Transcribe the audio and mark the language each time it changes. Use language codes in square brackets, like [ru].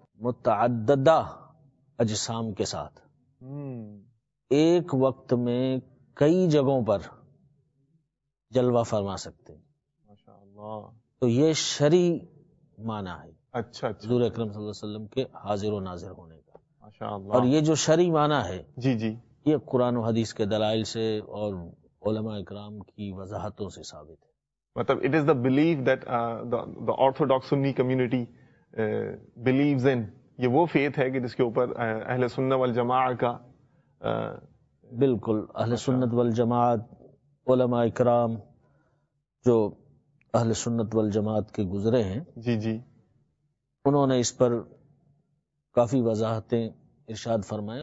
[ur] متعددہ اجسام کے ساتھ ایک وقت میں کئی جگہوں پر جلوہ فرما سکتے ہیں. ماشاءاللہ. تو یہ شرعی معنی ہے. اچھا اچھا. حضور اکرم صلی اللہ علیہ وسلم کے حاضر و ناظر ہونے کا. ماشاءاللہ. اور یہ جو شرعی معنی ہے جی جی یہ قرآن و حدیث کے دلائل سے اور علماء اکرام کی وضاحتوں سے ثابت ہے. [en] مطلب it is the belief that the orthodox Sunni community believes in. [ur] یہ وہ فیتھ ہے کہ جس کے اوپر اہل سنت والجماعت کا بالکل اہل سنت والجماعت علماء اکرام جو اہل سنت والجماعت کے گزرے ہیں جی جی انہوں نے اس پر کافی وضاحتیں ارشاد فرمائے.